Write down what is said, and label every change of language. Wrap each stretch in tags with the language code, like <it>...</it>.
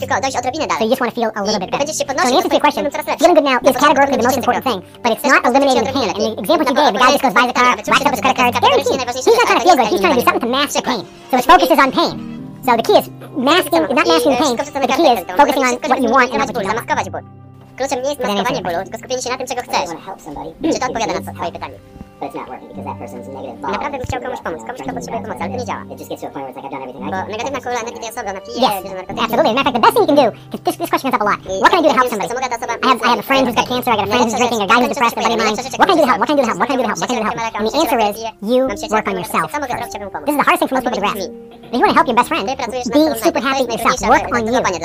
<en>So you just want to feel a little bit better. So in answer to your question, feeling good now is categorically the most important thing, but it's not eliminating the pain. And the example you gave, the guy just goes buy the car, racks up his credit card, guarantee. He's not trying to feel good, he's trying to do something to mask the pain. So his focus is on pain. So the key is masking, not masking the pain, but the key is focusing on what you want and not what you don't.</en> <pl>Kluczem nie jest maskowanie bólu, tylko skupienie się na tym, czego chcesz. Czy to odpowiada na twoje pytanie? Naprawdę bym chciał komuś pomóc, komuś kto potrzebuje pomocy, ale to nie działa. Bo negatywna kula energii tej osoby, ona pije, bierze narkotyki.</pl> <en>Absolutely. Matter of fact, the best thing you can do, because this question comes up a lot. What can I do to help somebody? I have a friend who's got cancer, I got a friend who's drinking, a guy who's depressed, a buddy of mine. What can I do to help? What can I do to help? What can I do to help? What can I do to help? And the answer is, you work on yourself first. This is the hardest thing for most people to grasp. If you want to help your best friend, be super happy yourself. Work on you.</en>